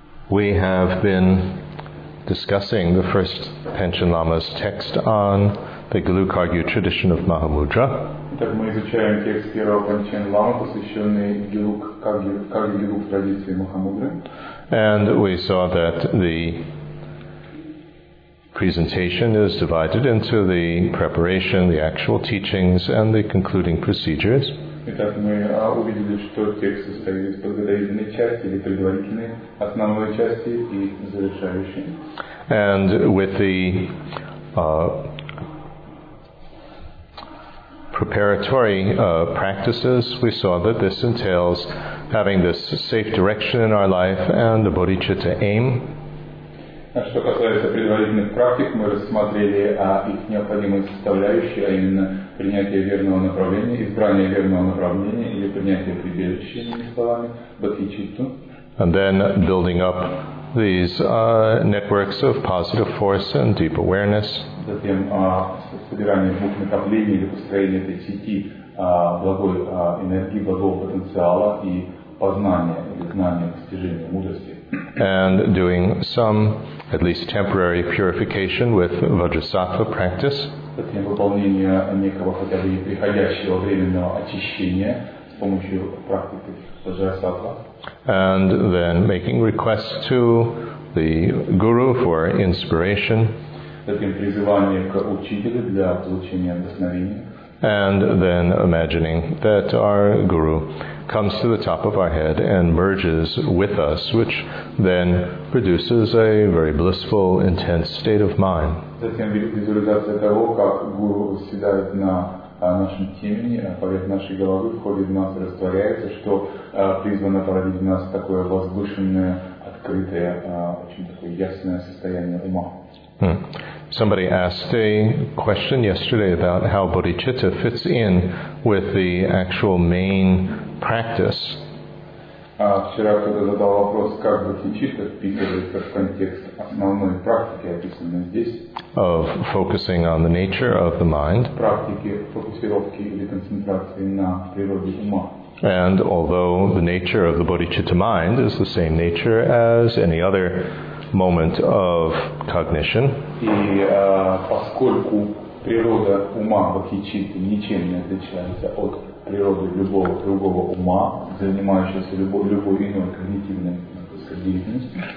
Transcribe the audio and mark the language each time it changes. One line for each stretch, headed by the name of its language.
English: We have been discussing the first Panchen Lama's text on the Gelugpa tradition of Mahamudra.
Russian: Так мы изучаем текст первого Панчен Лама, посвященный Гелугпа традиции Махамудры.
English: And we saw that the presentation is divided into the preparation, the actual teachings, and the concluding procedures.
Russian: Итак, мы увидели, что текст состоит из подготовительной части или предварительной основной части и завершающей.
English: And with the preparatory practices, we saw that this entails having this safe direction in our life and the bodhicitta aim.
Russian: Что касается предварительных практик, мы рассмотрели их необходимые составляющие, а именно принятие верного направления, избрание верного направления или принятие прибежища, иными словами, бодхичитту.
English: And then building up these networks of positive force and deep awareness.
Russian: Затем собирание двух накоплений или построение этой сети благой энергии, благого потенциала и познания или знания, достижения мудрости.
English: And doing some, at least temporary, purification with Vajrasattva practice.
Russian: Затем выполнение некого хотя бы приходящего временного очищения с помощью практики Vajrasattva.
English: And then making requests to the guru for inspiration.
Russian: Затем призывание к учителю для получения вдохновения.
English: And then imagining that our guru comes to the top of our head and merges with us, which then produces a very blissful, intense state of mind.
Russian: Затем визуализация того, как гуру восседает на нашем теме, поверх нашей головы, входит в нас и растворяется, что призвано породить в нас такое возвышенное, открытое, очень такое ясное состояние ума.
English: Somebody asked a question yesterday about how bodhicitta fits in with the actual main practice.
Russian: Вчера кто-то задал вопрос, как бодхичитта вписывается в контекст основной практики, описанной здесь.
English: Of focusing on the nature of the mind.
Russian: Практики фокусировки или концентрации на природе ума.
English: And although the nature of the bodhicitta mind is the same nature as any other moment of cognition.
Russian: И поскольку природа ума бодхичитты ничем не отличается от природы любого другого ума, занимающегося любой иной когнитивной деятельностью.